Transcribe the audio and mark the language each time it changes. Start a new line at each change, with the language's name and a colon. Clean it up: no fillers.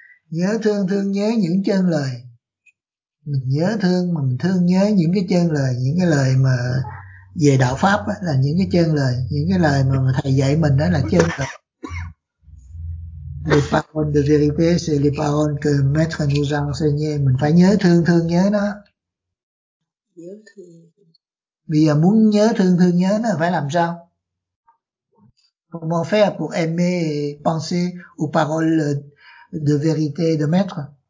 Vietnamese: Nhớ thương, thương nhớ những chân lời. Mình nhớ thương mà mình thương nhớ những cái chân lời, những cái lời mà về đạo pháp á, là những cái chân lời, những cái lời mà thầy dạy mình đó là chân lời.
French: Les paroles de vérité, c'est les paroles que maître nous a enseigné.
Vietnamese: Mình phải nhớ thương, thương nhớ nó. Nhớ thương. Bây giờ muốn nhớ thương, thương nhớ nó phải làm sao?
French: Comment faire pour aimer et penser aux paroles de vérité de maître?